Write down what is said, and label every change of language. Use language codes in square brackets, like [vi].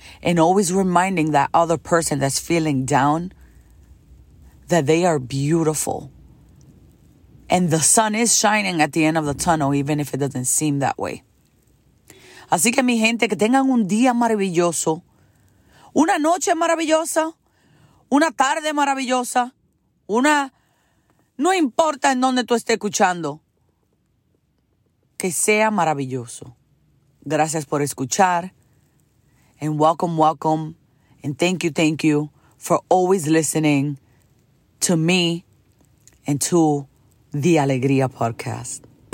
[en] And always reminding that other person that's feeling down that they are beautiful. And the sun is shining at the end of the tunnel, even if it doesn't seem that way. [es] Así que mi gente, que tengan un día maravilloso, una noche maravillosa, una tarde maravillosa, una... No importa en dónde tú estés escuchando, que sea maravilloso. Gracias por escuchar. [en] And welcome, welcome. And thank you for always listening to me and to the Alegría Podcast.